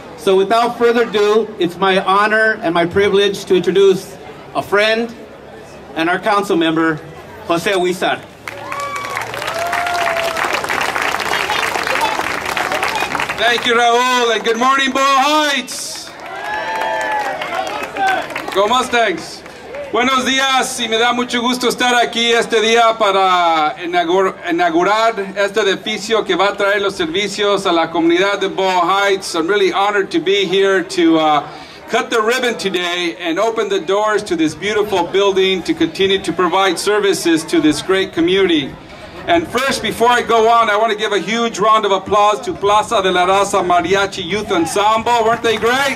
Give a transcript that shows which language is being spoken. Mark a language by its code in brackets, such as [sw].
[en] So without further ado, it's my honor and my privilege to introduce a friend and our council member, Jose Huizar. Thank you, Raul, and good morning, Boyle Heights. Go Mustangs. [es] Buenos días, y me da mucho gusto estar aquí este día para inaugurar este edificio que va a traer los servicios a la comunidad de Boyle Heights. [en] I'm really honored to be here to cut the ribbon today and open the doors to this beautiful building to continue to provide services to this great community. And first, before I go on, I want to give a huge round of applause to Plaza de la Raza Mariachi Youth Ensemble. Weren't they great?